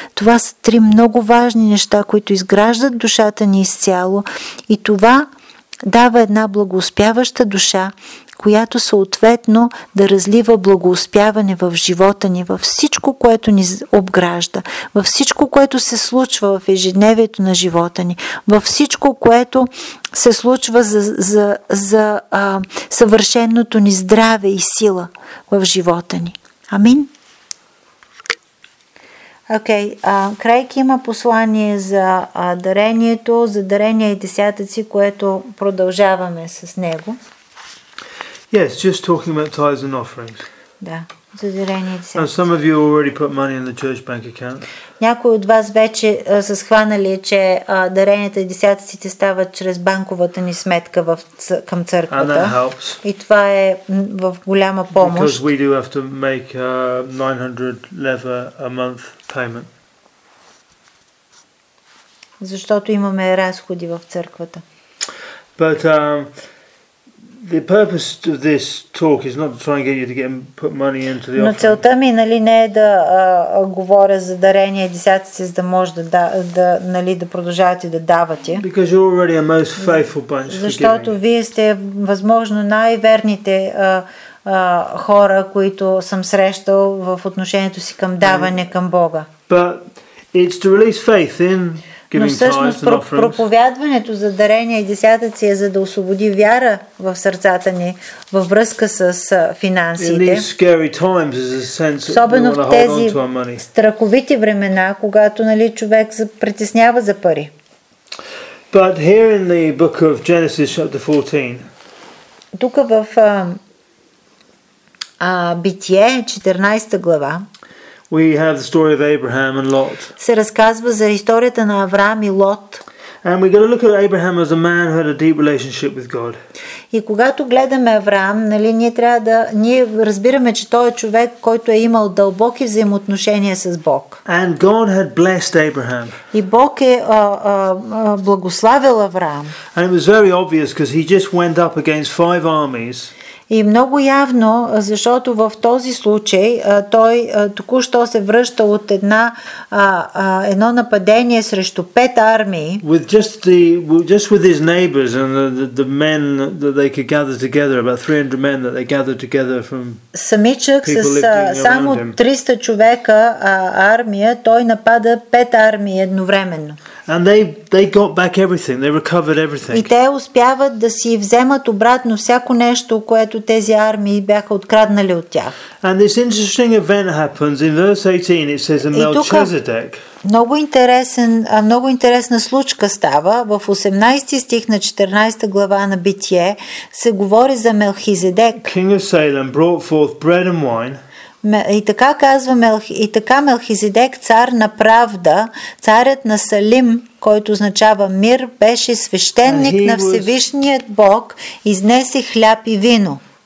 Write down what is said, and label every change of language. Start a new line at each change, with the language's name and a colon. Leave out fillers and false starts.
Bulgarian: Това са три много важни неща, които изграждат душата ни изцяло и това дава една благоуспяваща душа, която съответно да разлива благоуспяване в живота ни, във всичко, което ни обгражда, във всичко, което се случва в ежедневието на живота ни, във всичко, което се случва за съвършеното ни здраве и сила в живота ни. Амин. Окей, Крайки има послание за дарението, за дарение и десятъци, което продължаваме с него.
English: Yes, just talking about tithes and offerings.
Bulgarian: Да, за дарение и десятъци.
English: And some of you already put money in the church bank account.
Bulgarian: Някои от вас вече са схванали, че даренията и десятъците стават чрез банковата ни сметка към църквата.
English: And that helps.
Bulgarian: И това е в голяма помощ.
English: Because we do have to make a 900 lever a month payment.
Bulgarian: Защото имаме разходи в църквата.
English: But the purpose of this talk is not to try and get you to get and put money into the offering.
Bulgarian: Но целта ми, нали, не е да говоря за дарение и десятъци, за да може да продължавате да давате.
English: Because you're already a most faithful bunch.
Bulgarian: Защото вие сте възможно най-верните хора, които съм срещал в отношението си към даване към Бога.
English: But it's to release faith in giving tithes and offerings.
Bulgarian: Но всъщност проповядването за дарения и десятъци е за да освободи вяра в сърцата ни във връзка с финансите.
English: In these scary times, there's a sense that we want to hold on to our money.
Bulgarian: Особено в тези страховити времена, когато нали, човек притеснява за пари.
English: But here in the book of Genesis chapter 14.
Bulgarian: Тук в Битие 14 глава.
English: We have the story of Abraham and Lot.
Bulgarian: Се разказва за историята на Авраам и Лот.
English: And we got to look at Abraham as a man who had a deep relationship with God.
Bulgarian: И когато гледаме Авраам, нали, ние разбираме, че той е човек, който е имал дълбоки взаимоотношения с Бог.
English: And God had blessed Abraham.
Bulgarian: И Бог е благославил Авраам.
English: And it was very obvious because he just went up against five armies.
Bulgarian: И много явно, защото в този случай той току-що се връща от едно нападение срещу пет армии.
English: With his neighbors and the men that they could gather together, about 300 men that they gathered together from.
Bulgarian: Самичък с само 300 човека армия, той напада пет армии едновременно.
English: And they got back everything. They recovered everything.
Bulgarian: И те успяват да си вземат обратно всяко нещо, което тези армии бяха откраднали от тях.
English: And this interesting event happens in verse 18. It says Melchizedek.
Bulgarian: Много интересна случка става в 18 стих на 14 глава на Битие. Се говори за Мелхизедек.
English: King of Salem brought forth bread and wine.
Bulgarian: И така казва Мелхизедек, цар на правда, царят на Салим, който означава мир, беше свещеник на Всевишният Бог, изнесе хляб и вино.